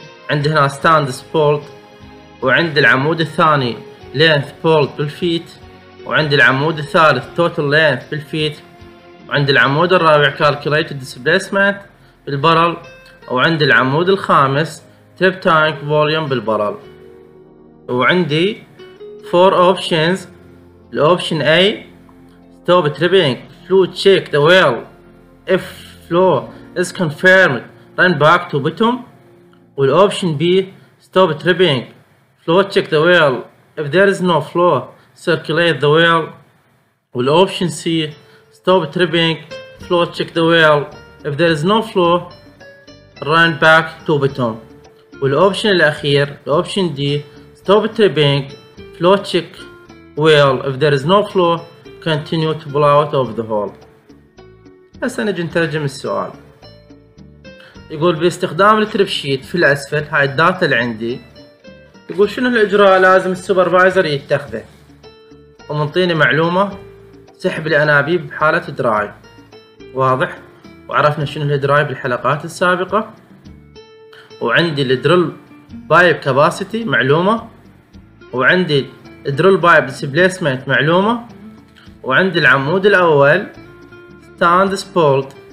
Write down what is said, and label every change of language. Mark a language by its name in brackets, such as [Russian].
[Arabic] عند هنا [English] stand support، [Arabic] وعند العمود الثاني [English] length pulled [Arabic] بالفيت، وعند العمود الثالث [English] total length [Arabic] بالفيت، وعند العمود الرابع [English] calculated displacement [Arabic] بالبرل، وعند العمود الخامس [English] trip tank volume [Arabic] بالبرل. وعندي 4 options. [English] option A stop tripping flow check the well if flow is confirmed run back to bottom. والoption B stop tripping flow check the well if there is no flow circulate the well. والoption C stop tripping flow check the well if there is no flow run back to bottom. والoption الاخير option D stop tripping flow check well if there is no flow continue to pull out of the hole. [Arabic] هسه نجي نترجم السؤال. يقول باستخدام التريب شيت في الاسفل، هاي الداتا اللي عندي، يقول شنو الاجراء لازم السوبرفايزر يتخذه؟ ومنطيني معلومه سحب الانابيب بحاله دراي واضح، وعرفنا شنو الدراي بالحلقات السابقه، وعندي الدرل بايب كاباسيتي معلومه، وعندي الدرل بايب ديسبليسمنت معلومه، وعندي العمود الاول ستاند سبولت